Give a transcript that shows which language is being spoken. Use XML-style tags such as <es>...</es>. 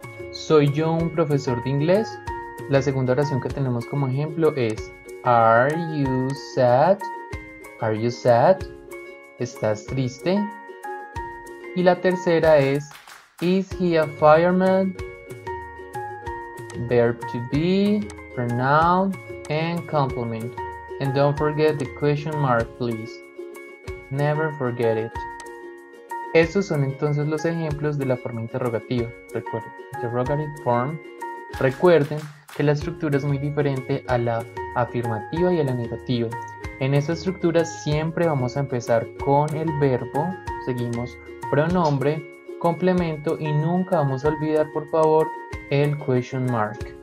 <es>¿Soy yo un profesor de inglés? La segunda oración que tenemos como ejemplo es,</es> <en>are you sad? Are you sad?</en> <es>¿Estás triste? Y la tercera es,</es> <en>is he a fireman? verb to be, pronoun, and complement. And don't forget the question mark, please. Never forget it.</en> <es>Estos son entonces los ejemplos de la forma interrogativa. Recuerden,</es> <en>interrogative form.</en> <es>Recuerden que la estructura es muy diferente a la afirmativa y a la negativa. En esta estructura siempre vamos a empezar con el verbo, seguimos pronombre, complemento y nunca vamos a olvidar, por favor, el question mark.</es>